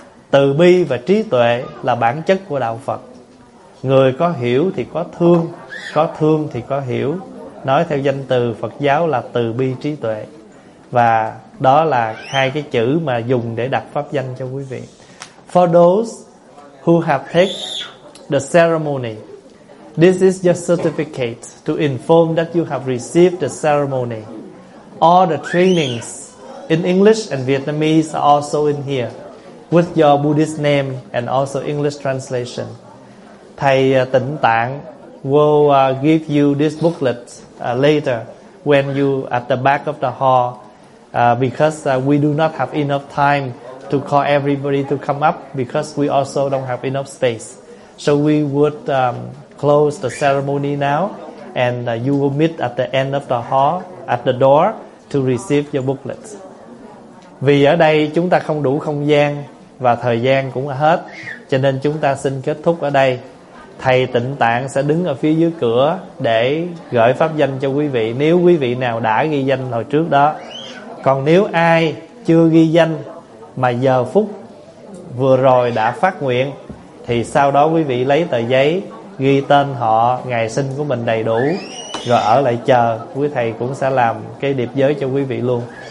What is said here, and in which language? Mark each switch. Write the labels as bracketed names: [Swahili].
[Vietnamese] Từ bi và trí tuệ là bản chất của đạo Phật. Người có hiểu thì có thương thì có hiểu. Nói theo danh từ Phật giáo là từ bi trí tuệ. Và đó là hai cái chữ mà dùng để đặt pháp danh cho quý vị. [English] For those who have taken the ceremony, this is your certificate to inform that you have received the ceremony. All the trainings in English and Vietnamese are also in here, with your Buddhist name and also English translation. Thầy Tịnh Tạng will give you this booklet later when you at the back of the hall, because we do not have enough time to call everybody to come up, because we also don't have enough space. So we would close the ceremony now, and you will meet at the end of the hall at the door to receive your booklet. [Vietnamese] Vì ở đây chúng ta không đủ không gian và thời gian cũng hết, cho nên chúng ta xin kết thúc ở đây. Thầy Tịnh Tạng sẽ đứng ở phía dưới cửa để gửi pháp danh cho quý vị, nếu quý vị nào đã ghi danh hồi trước đó. Còn nếu ai chưa ghi danh mà giờ phút vừa rồi đã phát nguyện, thì sau đó quý vị lấy tờ giấy ghi tên họ, ngày sinh của mình đầy đủ, rồi ở lại chờ, quý thầy cũng sẽ làm cái điệp giới cho quý vị luôn.